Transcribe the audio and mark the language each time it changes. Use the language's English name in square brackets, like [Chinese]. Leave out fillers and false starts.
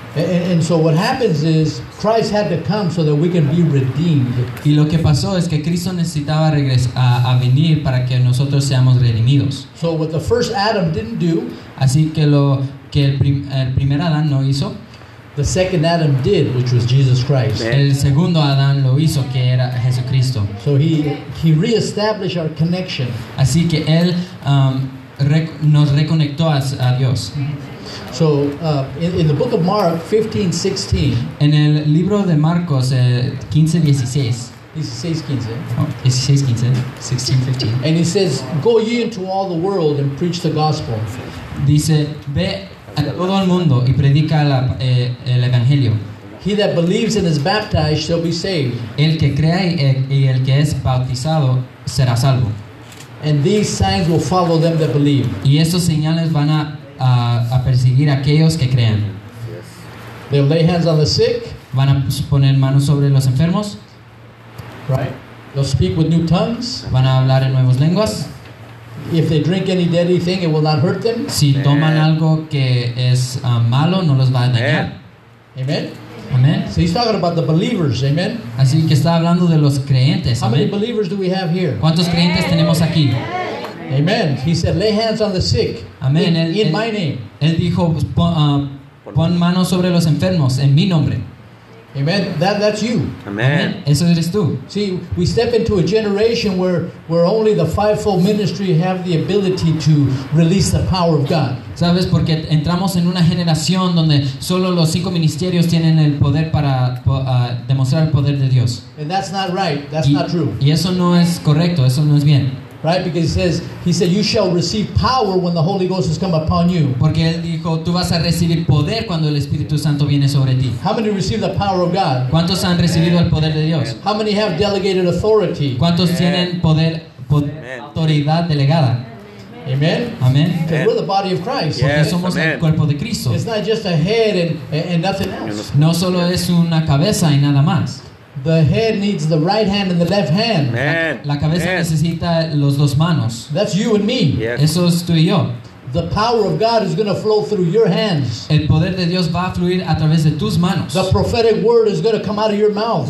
[English] And so what happens is Christ had to come so that we can be redeemed. [Spanish] Y lo que pasó es que Cristo necesitaba a venir para que nosotros seamos redimidos. [English] So what the first Adam didn't do, [Spanish] así que lo que el primer Adán no hizo, [English] the second Adam did, which was Jesus Christ. [Spanish] El segundo Adán lo hizo, que era Jesucristo. [English] So he reestablished our connection. [Spanish] Así que él nos reconectó a Dios. [English] So in the book of Mark 15:16, [Spanish] en el libro de Marcos 15:16. 16:15. [English] And he says, "Go ye into all the world and preach the gospel." [Spanish] Dice, "Ve a todo el mundo y predica el evangelio." [English] "He that believes and is baptized shall be saved." [Spanish] El que crea y el que es bautizado será salvo. [English] "And these signs will follow them that believe." [Spanish] Y esos señales van a perseguir a aquellos que crean. [English] "They'll lay hands on the sick." [Spanish] Van a poner manos sobre los enfermos. [English] Right. "They'll speak with new tongues." [Spanish] Van a hablar en nuevas lenguas. [English] "If they drink any deadly thing, it will not hurt them." [Spanish] Si toman algo que es malo, no los va a dañar. Amen. Amen. [English] So he's talking about the believers. Amen. [Spanish] Así que está hablando de los creyentes. [English] How many believers do we have here? [Spanish] ¿Cuántos creyentes tenemos aquí? [English] Amen. He said, "Lay hands on the sick." Amen. In my name. [Spanish] Él dijo, pon manos sobre los enfermos en mi nombre. [English] Amen. That's you. Amen. [Spanish] Eso eres tú. [English] See, we step into a generation where only the fivefold ministry have the ability to release the power of God. [Spanish] Sabes, porque entramos en una generación donde solo los cinco ministerios tienen el poder para demostrar el poder de Dios. [English] And that's not right. That's not true. [Spanish] Y eso no es correcto. Eso no es bien. [English] Right, because he said, "You shall receive power when the Holy Ghost has come upon you." [Spanish] Porque él dijo, tú vas a recibir poder cuando el Espíritu Santo viene sobre ti. [English] How many receive the power of God? [Spanish] ¿Cuántos han recibido el poder de Dios? [English] How many have delegated authority? [Spanish] ¿Cuántos tienen poder, autoridad delegada? Amen. Amen. [English] Because we're the body of Christ. [Spanish] Porque somos el cuerpo de Cristo. [English] It's not just a head and nothing else. [Spanish] No solo es una cabeza y nada más. [English] The head needs the right hand and the left hand. Man. [Spanish] La cabeza necesita los dos manos. [English] That's you and me. Yes. [Spanish] Eso es tú y yo. [English] The power of God is going to flow through your hands. [Spanish] El poder de Dios va a fluir a través de tus manos. [English] The prophetic word is going to come out of your mouth.